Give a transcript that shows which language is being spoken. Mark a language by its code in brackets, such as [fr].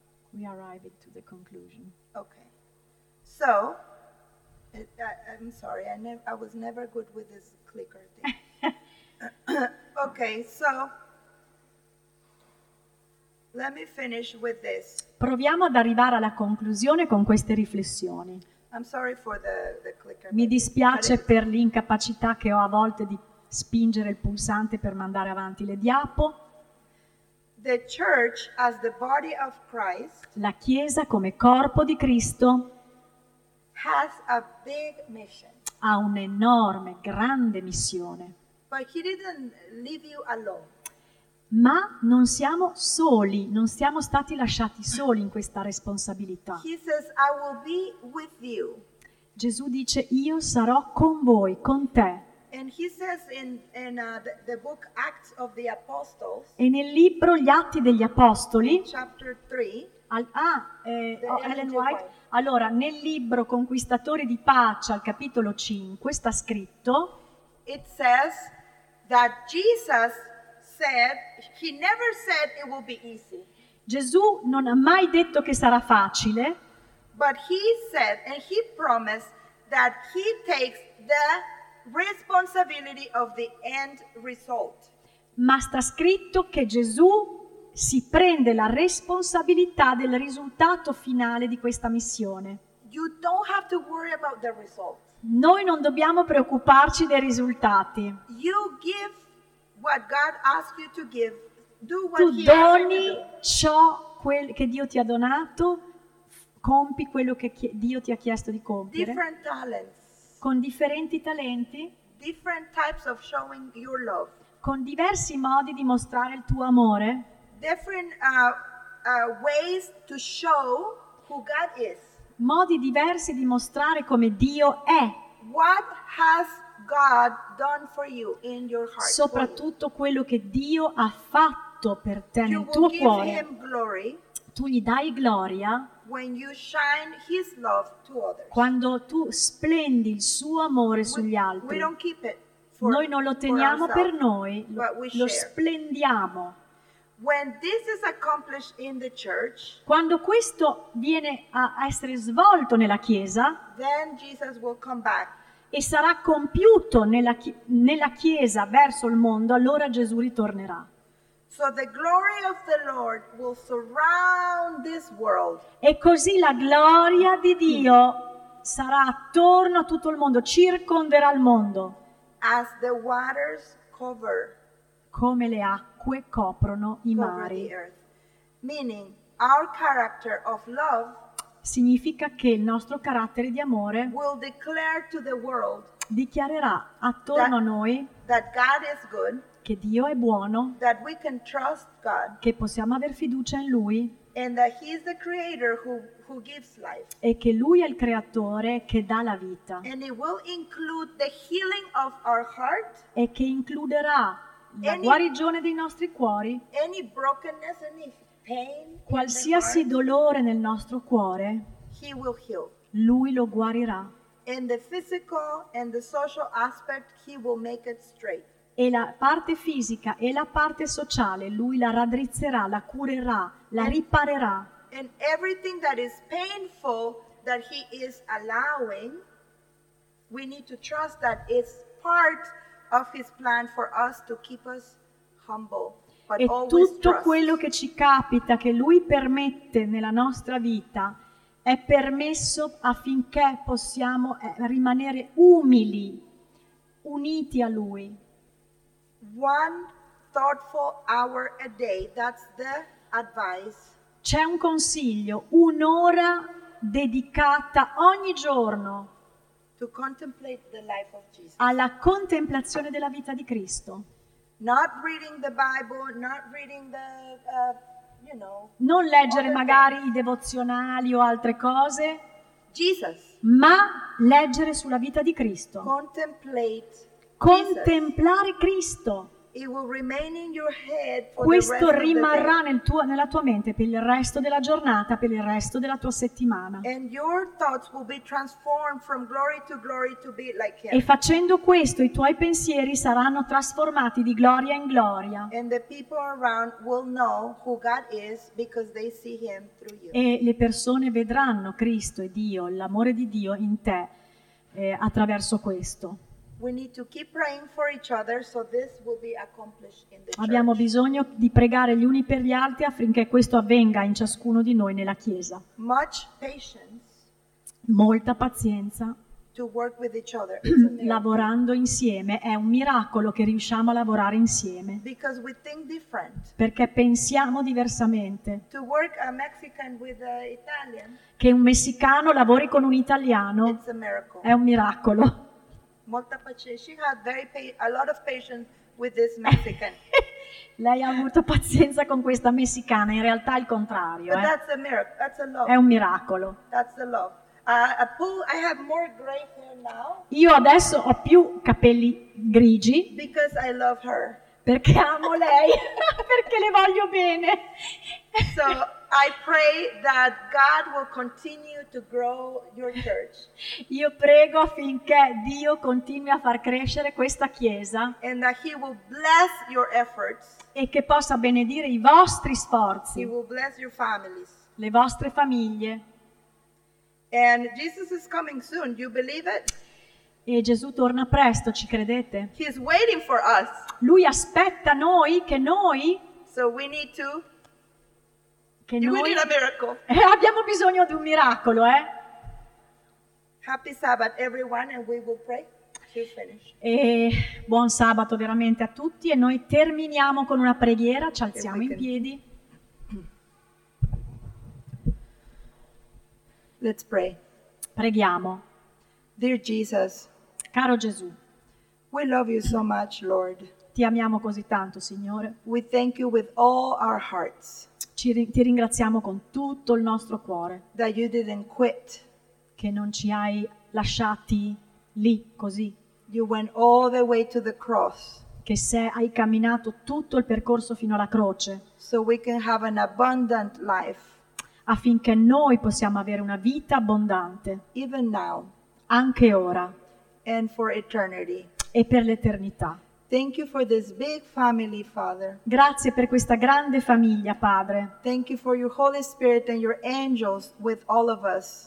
[en] We arrive to the conclusion. Okay. So, I'm sorry. I was never good with this clicker thing. Okay. So, let me finish with this. [it] Proviamo ad arrivare alla conclusione con queste riflessioni. [en] I'm sorry for the clicker. [it] Mi dispiace per l'incapacità che ho a volte di spingere il pulsante per mandare avanti le diapo. [en] The church as the body of Christ. [it] La Chiesa come corpo di Cristo [en] has a big mission. [it] Ha un'enorme, grande missione. [en] But he didn't leave you alone. [it] Ma non siamo soli, non siamo stati lasciati soli in questa responsabilità. [en] He says, I will be with you. [it] Gesù dice, io sarò con voi, con te. [en] And he says in the book Acts of the Apostles. [it] E nel libro Gli Atti degli Apostoli. [en] Chapter 3. Ellen White. [it] Allora, nel libro Conquistatori di Pace, al capitolo 5, sta scritto. [en] It says that Jesus said, he never said it will be easy. [it] Gesù non ha mai detto che sarà facile. [en] But he said and he promised that he takes the responsibility of the end result. [it] Ma sta scritto che Gesù si prende la responsabilità del risultato finale di questa missione. [en] You don't have to worry about the result. [it] Noi non dobbiamo preoccuparci dei risultati. [en] You give what God asks you to give. Do what [it] tu doni ciò che Dio ti ha donato, compi quello che Dio ti ha chiesto di compiere. [en] Different talents. [it] Con differenti talenti. [en] Different types of showing your love. [it] Con diversi modi di mostrare il tuo amore. [en] Different ways to show who God is. [it] Modi diversi di mostrare come Dio è. [en] What has God done for you in your heart? [it] Soprattutto quello che Dio ha fatto per te nel tuo cuore. [en] You will give him glory. [it] Tu gli dai gloria. [en] When you shine his love to others. [it] Quando tu splendi il suo amore sugli altri. [en] We don't keep it for, [it] noi non lo teniamo [en] for ourselves, [it] per noi, lo splendiamo. [en] When this is accomplished in the church, [it] quando questo viene a essere svolto nella Chiesa, [en] then Jesus will come back. [it] E sarà compiuto nella Chiesa verso il mondo, allora Gesù ritornerà. [en] So the glory of the Lord will surround this world. [it] E così la gloria di Dio sarà attorno a tutto il mondo, circonderà il mondo. [en] As the waters cover. [it] come le acque coprono i mari. [en] Meaning our character of love [it] significa che il nostro carattere di amore [en] will declare to the world [it] dichiarerà attorno [en] that, [it] a noi [en] that God is good, [it] che Dio è buono, [en] that we can trust God, [it] che possiamo aver fiducia in Lui [en] and that he is the creator who gives life. [it] E che Lui è il creatore che dà la vita [en] and it will include the healing of our heart, [it] e che includerà la guarigione dei nostri cuori, [en] any brokenness, any pain, [it] qualsiasi dolore nel nostro cuore, [en] he will heal. [it] Lui lo guarirà. [en] And the physical and the social aspect, he will make it straight. [it] E la parte fisica e la parte sociale, lui la raddrizzerà, la curerà, la riparerà. [en] And everything that is painful that he is allowing, we need to trust that it's part of his plan for us to keep us humble. [it] E tutto quello che ci capita, che Lui permette nella nostra vita, è permesso affinché possiamo rimanere umili, uniti a Lui. [en] One thoughtful hour a day, that's the advice. [it] C'è un consiglio, un'ora dedicata ogni giorno [en] to contemplate the life of Jesus. [it] Alla contemplazione della vita di Cristo. [en] Not reading the Bible, not reading the, you know, [it] non leggere magari i devozionali o altre cose, [en] Jesus, [it] ma leggere sulla vita di Cristo. [en] Contemplate [it] contemplare [en] Jesus. [it] Cristo. [en] It will remain in your head for [it] questo [en] the rest [it] rimarrà [en] of the [it] nel tuo, nella tua mente per il resto della giornata, per il resto della tua settimana. [en] And your thoughts will be transformed from glory to glory to be like him. [it] E facendo questo i tuoi pensieri saranno trasformati di gloria in gloria. [en] And the people around will know who God is because they see him through you. [it] E le persone vedranno Cristo e Dio, l'amore di Dio in te attraverso questo. [en] We need to keep praying for each other so this will be accomplished in the church. [it] Abbiamo bisogno di pregare gli uni per gli altri affinché questo avvenga in ciascuno di noi nella chiesa. [en] Much patience. [it] Molta pazienza. [en] To work with each other. [it] Lavorando insieme è un miracolo che riusciamo a lavorare insieme. [en] Because we think different. [it] Perché pensiamo diversamente. [en] To work a Mexican with an Italian. [it] Che un messicano lavori con un italiano. [en] It's a miracle. [it] È un miracolo. Molta pazienza. [en] She had a lot of patience with this Mexican. [it] Lei ha avuto pazienza con questa messicana. In realtà è il contrario. [en] But that's a miracle. That's a love. [it] È un miracolo. [en] That's a love. I have more gray hair now. [it] Io adesso ho più capelli grigi. [en] Because I love her. [it] Perché amo lei. Perché le voglio bene. [en] So I pray that God will continue to grow your church. [it] Io prego affinché Dio continui a far crescere questa chiesa. [en] And that he will bless your efforts. [it] E che possa benedire i vostri sforzi. [en] He will bless your families. [it] Le vostre famiglie. [en] And Jesus is coming soon. You believe it? [it] E Gesù torna presto, ci credete? [en] He is waiting for us. [it] Lui aspetta noi, che noi. [en] So we need to. [it] Che noi [en] need a miracle. [it] Abbiamo bisogno di un miracolo, eh? [en] Happy Sabbath, everyone, and we will pray. [it] E buon sabato veramente a tutti e noi terminiamo con una preghiera, ci alziamo in piedi. [en] Let's pray. [it] Preghiamo. [en] Dear Jesus. [it] Caro Gesù. [en] We love you so much, Lord. [it] Ti amiamo così tanto, Signore. [en] We thank you with all our hearts. [it] Ti ringraziamo con tutto il nostro cuore. [en] That you didn't quit. [it] Che non ci hai lasciati lì, così. [en] You went all the way to the cross. [it] Che sei, hai camminato tutto il percorso fino alla croce. [en] So we can have an abundant life. [it] Affinché noi possiamo avere una vita abbondante. [en] Even now. [it] Anche ora. [en] And for eternity. [it] E per l'eternità. [en] Thank you for this big family, Father. [it] Grazie per questa grande famiglia, Padre. [en] Thank you for your Holy Spirit and your angels with all of us.